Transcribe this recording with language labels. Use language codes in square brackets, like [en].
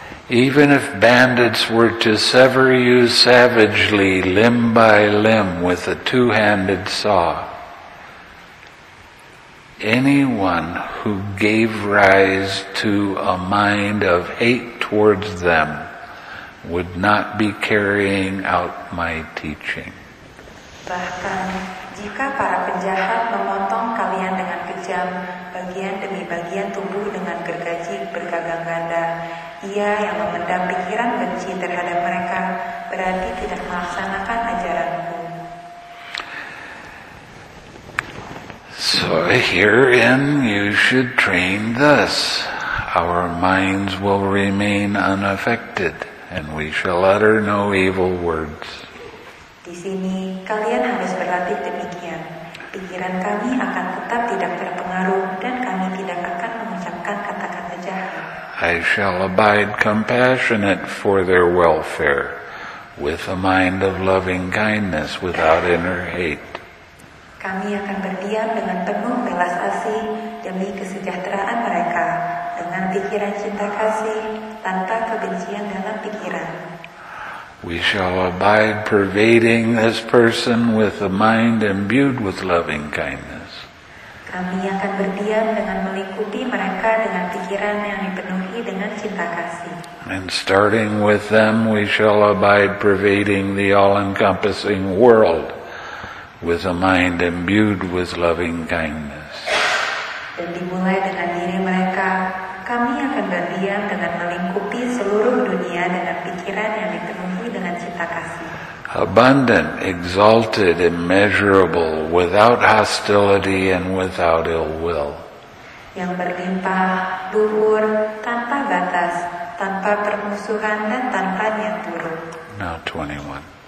[en] Even if bandits were to sever you savagely, limb by limb, with a two-handed saw, anyone who gave rise to a mind of hate towards them would not be carrying out my teaching. [id] Bahkan jika para penjahat memotong kalian dengan kejam, bagian demi bagian tubuh dengan gergaji bergagang ganda, ia yang memendam pikiran benci terhadap mereka berarti tidak melaksanakan ajaranku. [en] So herein you should train thus. Our minds will remain unaffected, and we shall utter no evil words. [id] Di sini kalian harus berlatih demikian. Pikiran kami akan tetap tidak terpengaruh, dan kami tidak akan mengucapkan kata-kata jahat. [en] I shall abide compassionate for their welfare, with a mind of loving kindness, without inner hate. [id] Kami akan berdiam dengan penuh belas kasih demi kesejahteraan mereka, dengan pikiran cinta kasih, tanpa kebencian dalam pikiran. [en] We shall abide pervading this person with a mind imbued with loving kindness. [id] Kami akan berdiam dengan melingkupi mereka dengan pikiran yang dipenuhi dengan cinta kasih. [en] And starting with them, we shall abide pervading the all-encompassing world with a mind imbued with loving kindness. [id] Dan dimulai dengan diri mereka, kami akan berdiam dengan melingkupi seluruh dunia dengan pikiran yang dipenuhi dengan cinta kasih. [en] Abundant, exalted, immeasurable, without hostility and without ill will. [id] Yang berlimpah, luhur, tanpa batas, tanpa permusuhan, dan tanpa niat buruk. [en] Now 21.